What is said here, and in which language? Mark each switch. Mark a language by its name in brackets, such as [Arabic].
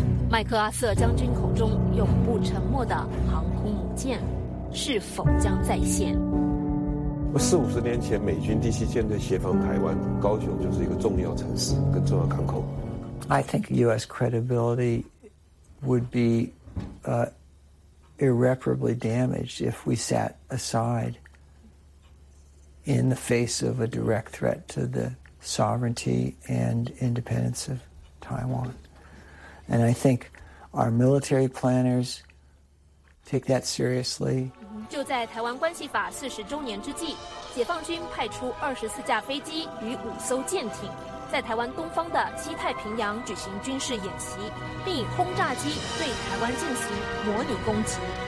[Chinese] 麦克阿瑟将军口中永不沉默的航空母舰是否将再现？四五十年前，美军第七舰队协防台湾，高雄就是一个重要城市跟重要港口。 [English] I think U.S. credibility would be irreparably damaged if we sat aside in the face of a direct threat to the sovereignty and independence of Taiwan. And I think our military planners take that seriously. [Chinese] 就在台湾关系法四十周年之际，解放军派出24架飞机与5艘舰艇，在台湾东方的西太平洋举行军事演习，并以轰炸机对台湾进行模拟攻击。